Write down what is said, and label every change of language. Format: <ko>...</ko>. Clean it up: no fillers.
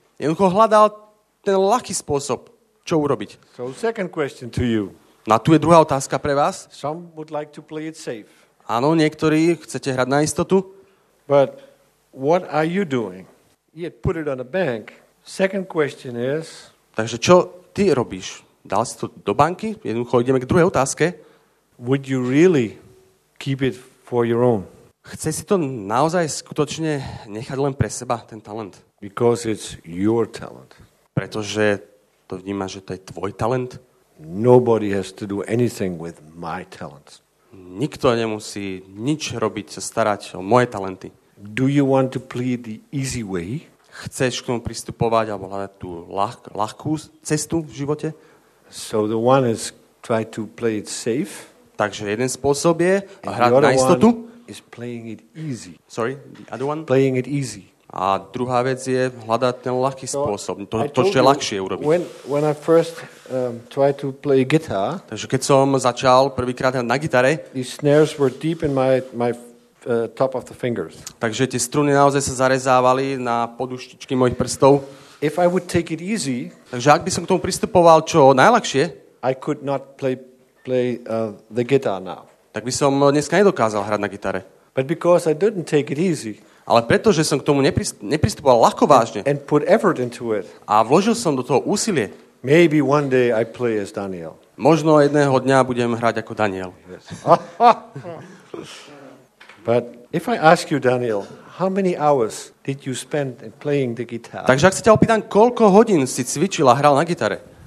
<sk>Jednoducho hľadal ten ľahký spôsob, čo urobiť.</sk> <en>So second question to you.</en> <sk>No a tu je druhá otázka pre vás.</sk> <en>Some would like to play it safe.</en> <sk>Áno, niektorí chcete hrať na istotu.</sk> <en>But what are you doing? He had put it on a bank. Second question is...</en> <sk>Takže čo ty robíš? Dal si to do banky? Jednoducho ideme k druhej otázke.</sk> <en>Would you really keep it for your own?</en> <sk>Chce si to naozaj skutočne nechať len pre seba, ten talent?</sk> <en>Because it's your talent.</en> <sk>Pretože to vnímaš, že to je tvoj talent?</sk> <en>Nobody has to do anything with my talents.</en> <sk>Nikto nemusí nič robiť, sa starať o moje talenty.</sk> <en>Do you want to play the easy way?</en> <sk>Chceš k tomu pristupovať alebo hľadať tú ľahkú cestu v živote?</sk> <en>So the one is try to play it safe.</en> <sk>Takže jeden spôsob je hrať na istotu.</sk> <en>is playing it easy. Sorry, the other one? Playing it easy.</en> <sk>A druhá vec je hľadať ten ľahký spôsob, to čo je ľahšie urobiť.</sk> <en>When I first tried to play guitar.</en> <sk>Takže keď som začal prvýkrát na gitare,</sk> <en>the snares were deep in my top of the fingers.</en> <sk>Takže tie struny naozaj sa zarezávali na podúštičky mojich prstov.</sk> <en>If I would take it easy.</en> <sk>Takže ak by som k tomu pristupoval čo najľahšie,</sk> <en>I could not play the guitar now.</en> <sk>Tak by som dneska nedokázal hrať na gitare.</sk> <en>But because I didn't take it easy.</en> <sk>Ale pretože som k tomu nepristupoval ľahko vážne.</sk> <en>And put effort into it.</en> <sk>A vložil som do toho úsilie.</sk> <en>Maybe one day I play as Daniel.</en> <sk>Možno jedného dňa budem hrať ako Daniel.</sk> <en>Yes. But if I ask you, Daniel, how many hours did you spend playing the guitar?</en> <sk>Takže ak sa ťa opýtam, koľko hodín si cvičil a hral na gitare?</sk>